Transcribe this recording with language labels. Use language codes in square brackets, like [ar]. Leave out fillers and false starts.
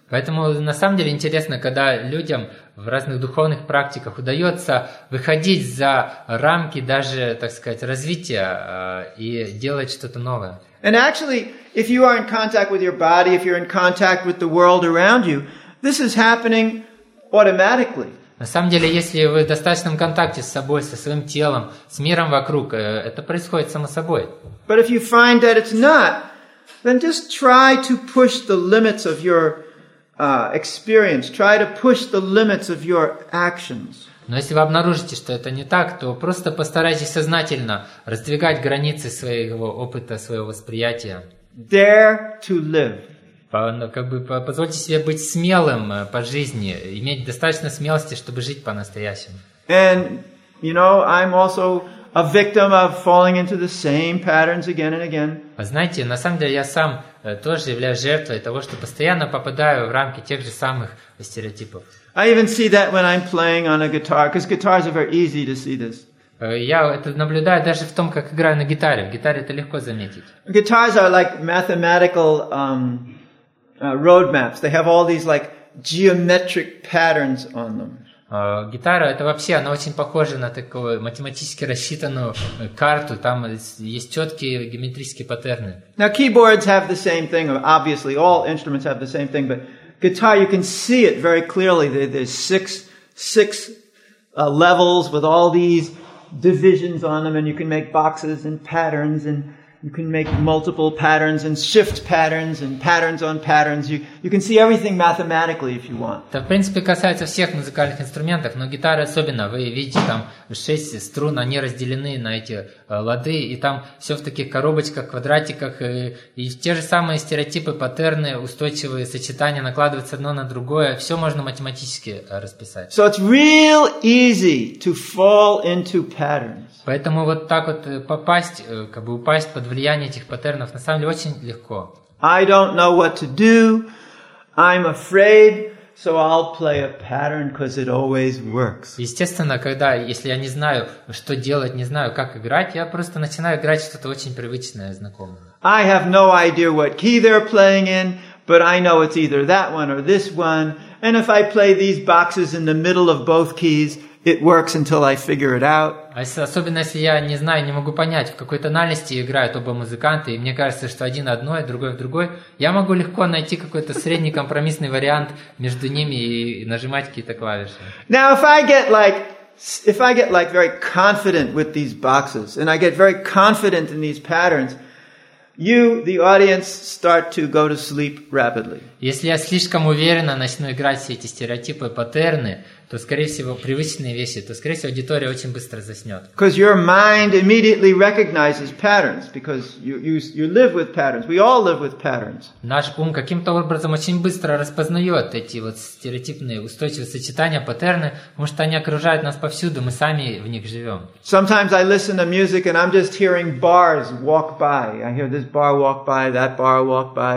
[ru] Поэтому на самом деле интересно, когда людям в разных духовных практиках удается выходить за рамки даже, так сказать, развития и делать что-то новое. [en] And actually, if you are in contact with your body, if you're in contact with the world around you, this is happening automatically. [ru] На самом деле, если вы в достаточном контакте с собой, со своим телом, с миром вокруг, это происходит само собой. [en] But if you find that it's not, then just try to push the limits of your experience. Try to push the limits of your actions. [ru] Но если вы обнаружите, что это не так, то просто постарайтесь сознательно раздвигать границы своего опыта, своего восприятия. [en] Dare to live. [ru] Позвольте себе быть смелым по жизни, иметь достаточно смелости, чтобы жить по-настоящему. [en] And, you know, I'm also a victim of falling into the same patterns again and again. [ru] А знаете, на самом деле я сам тоже являюсь жертвой того, что постоянно попадаю в рамки тех же самых стереотипов. [en] I even see that when I'm playing on a guitar, because guitars are very easy to see this. [ru] Я это наблюдаю даже в том, как играю на гитаре. В гитаре это легко заметить. [en] Guitars are like mathematical roadmaps. They have all these like geometric patterns on them. [ru] Гитара это вообще, она очень похожа на такую математически рассчитанную карту. Там есть четкие геометрические паттерны. [en] Now keyboards have the same thing. Obviously, all instruments have the same thing, but guitar, you can see it very clearly. There's six levels with all these divisions on them, and you can make boxes and patterns, and you can make multiple patterns and shift patterns and patterns on patterns. You can see everything mathematically if you want. [ru] Это, в принципе, касается всех музыкальных инструментов, но гитара особенно. Вы видите, там шесть струн, они разделены на эти лады, и там все в таких коробочках, квадратиках, и те же самые стереотипы, паттерны, устойчивые сочетания накладываются одно на другое. Все можно математически расписать. [en] So it's real easy to fall into patterns. [ru] Поэтому вот так вот попасть, как бы упасть под влияние этих паттернов на самом деле очень легко. [en] I don't know what to do. I'm afraid, so I'll play a pattern because it always works. [ru] Естественно, когда если я не знаю, что делать, не знаю, как играть, я просто начинаю играть что-то очень привычное, знакомое. [en] I have no idea what key they're playing in, but I know it's either that one or this one. And if I play these boxes in the middle of both keys, it works until I figure it out. [ru] Особенно если я не знаю, не могу понять, в какой тональности играют оба музыканта, и мне кажется, что один одной, другой в другой, я могу легко найти какой-то средний компромиссный вариант между ними и нажимать какие-то клавиши. [en] Now, if I get like very confident with these boxes, and I get very confident in these patterns, you, the audience, start to go to sleep rapidly. [ru] Если я слишком уверенно начну играть все эти стереотипы, паттерны, то, скорее всего, привычные вещи, то, скорее всего, аудитория очень быстро заснет. [en] Because your mind immediately recognizes patterns, because you live with patterns. We all live with patterns. [ru] Наш ум каким-то образом очень быстро распознает эти вот стереотипные устойчивые сочетания паттерны, потому что они окружают нас повсюду, мы сами в них живем. [en] Sometimes I listen to music and I'm just hearing bars walk by. I hear this bar walk by, that bar walk by.